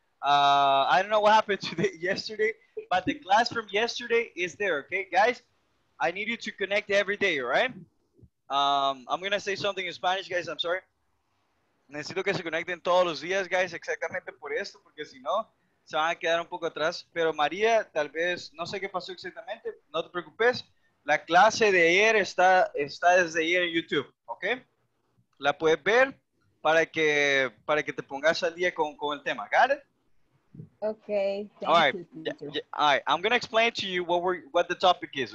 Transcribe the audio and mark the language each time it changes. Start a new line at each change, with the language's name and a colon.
English: I don't know what happened today, yesterday, but the class from yesterday is there, okay? Guys, I need you to connect every day, all right? I'm going to say something in Spanish, guys. I'm sorry.
Spanish: Necesito que se conecten todos los días,
English: guys,
Spanish: exactamente por esto, porque si no, se van a quedar un poco atrás. Pero Maria, tal vez, no sé qué pasó exactamente, no te preocupes. La clase de ayer está desde ayer en YouTube, ¿ok? La puedes ver para que te pongas al día con el tema,
English: ¿got it? Okay. All right. I'm gonna explain to you what the topic is.